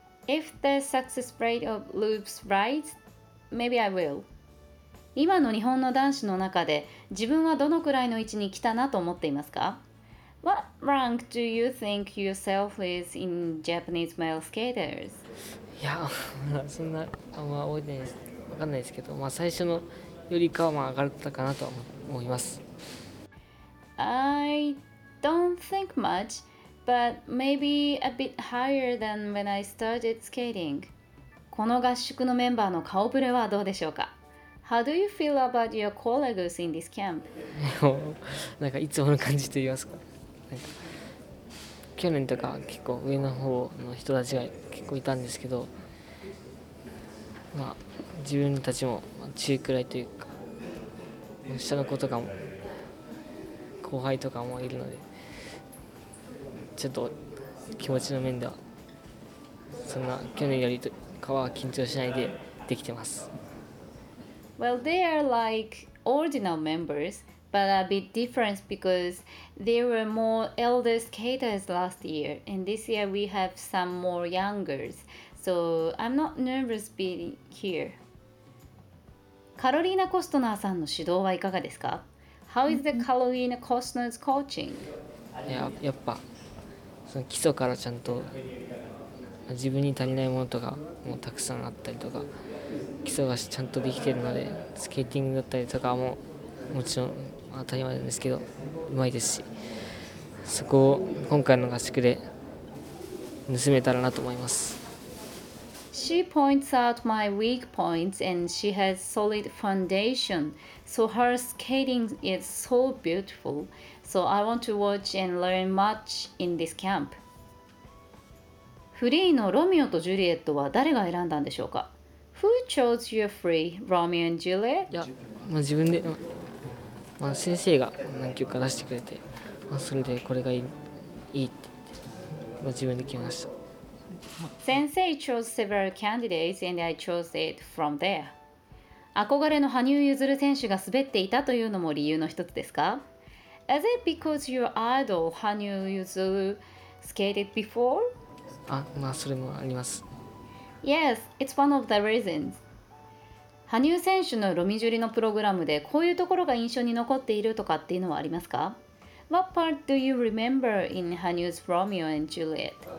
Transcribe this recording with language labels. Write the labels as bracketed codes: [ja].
[en] If the success rate of loops right, maybe I will. [ja] 今の日本の男子の中で自分はどのくらいの位置に来たなと思っていますか? [en] What rank do you think yourself is in Japanese male skaters? [ja] いや、そんなあんま多いです。わかんないですけど、まあ、最初のよりかはまあ上がったかなと思います。 [en] I don't think much, but maybe a bit higher than when I started skating. [ja] この合宿のメンバーの顔ぶれはどうでしょうか? [en] How do you feel about your colleagues in this camp? [ja] なんかいつもの感じと言いますか。なんか去年とか結構上の方の人たちが結構いたんですけど、まあ自分たちも中くらいというか、下の子とかも後輩とかもいるので、ちょっと気持ちの面ではそんな去年よりかは緊張しないでできてます。 [en] Well, they are like original members, but a bit different because there were more elder skaters last year, and this year we have some more youngers, so I'm not nervous being here. [ja] カロリーナ・コストナーさんの指導はいかがですか? [en] How is the カロリーナ・コストナー's coaching? [ja] やっぱ、その基礎からちゃんと自分に足りないものとかもたくさんあったりとか、基礎がちゃんとできているので、スケーティングだったりとかももちろん当たり前ですけど上手いですし、そこを今回の合宿で盗めたらなと思います。 [en] She points out my weak points and she has solid foundation, so her skating is so beautiful, so I want to watch and learn much in this camp. [ja] フリーのロミオとジュリエットは誰が選んだんでしょうか。 [en] Who chose your free, Romeo and Juliet? [ja] いや、まあ、自分で、まあ、先生が何曲か出してくれて、まあ、それでこれがいいって、まあ、自分で決めました。 [en] 先生 chose several candidates and I chose it from there. [ja] 憧れの羽生結弦選手が滑っていたというのも理由の一つですか? [en] Is it because your idol, 羽生結弦 skated before? [ja] あ、まあそれもあります。 [en] Yes, it's one of the reasons. [ja] 羽生選手のロミジュリのプログラムでこういうところが印象に残っているとかっていうのはありますか? [en] What part do you remember in 羽生's Romeo and Juliet?